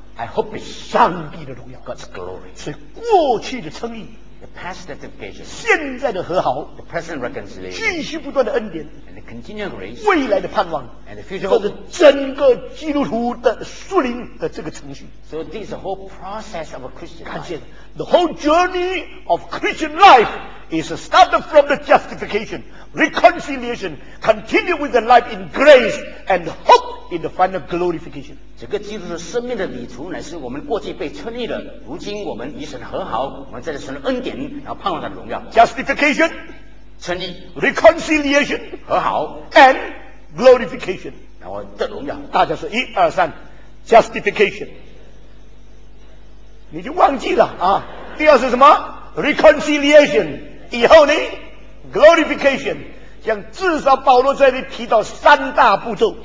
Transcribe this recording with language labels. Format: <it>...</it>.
<en>，I hope is</en> <zh>上帝的荣耀</zh> <en>，God's glory。</en> <zh>所以过去的称义</zh> <en>，The past justification，</en> <zh>现在的和好</zh> <en>，The present reconciliation，</en> <zh>继续不断的恩典。</zh> <en>Continual grace,</en> <zh>未来的盼望</zh> <en>and the future hope,</en> <zh>或者整个基督徒的属灵的这个程序</zh> <en>so this is the whole process of a Christian life 看见 the whole journey of Christian life is started from the justification reconciliation continue with the life in grace and hope in the final glorification</en> <zh>整个基督徒生命的旅途乃是我们过去被称义的如今我们与神和好我们在神的恩典然后盼望他的荣耀</zh> <en>justification</en> <zh>称义</zh> <en>reconciliation</en> <zh>和好</zh> <en>and glorification</en> <zh>然后得荣耀大家说一二三 justification 你就忘记了啊第二是什么 reconciliation 以后呢 glorification 像至少保罗这里提到三大步骤</zh>